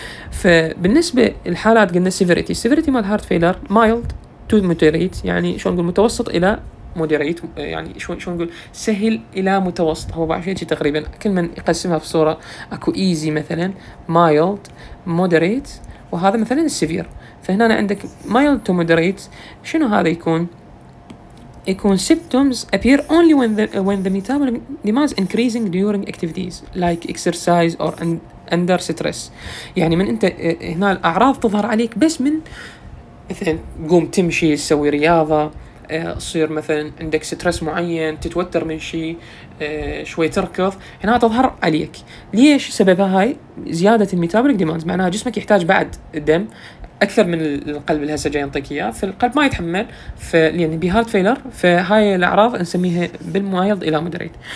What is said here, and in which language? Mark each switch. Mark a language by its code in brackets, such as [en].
[ar] فبالنسبه الحالات قلنا سيفيريتي، سيفيريتي مال هارت فيلر مايلد تو موديريت، يعني شلون نقول متوسط الى موديريت، يعني شلون نقول سهل الى متوسط، هو بعض شيء تقريبا كل من يقسمها بصوره، اكو ايزي مثلا مايلد موديريت وهذا مثلا السيفير. فهنا عندك مايلد تو موديريت شنو هذا يكون؟ يكون [en] symptoms appear only when the metabolic demands increasing during activities like exercise or under stress. [ar] يعني من انت هنا الاعراض تظهر عليك بس من مثلا قوم تمشي تسوي رياضة، تصير مثلا عندك ستريس معين، تتوتر من شيء، شوي تركض، هنا تظهر عليك. ليش سببها هاي؟ زيادة الميتابوليك ديمانز، معناها جسمك يحتاج بعد الدم أكثر من القلب الهسه جاي ينطيك إياه، فالقلب ما يتحمل، فلين يعني بهارت فيلر، فهاي الأعراض نسميها بالمايلد إلى مودريت.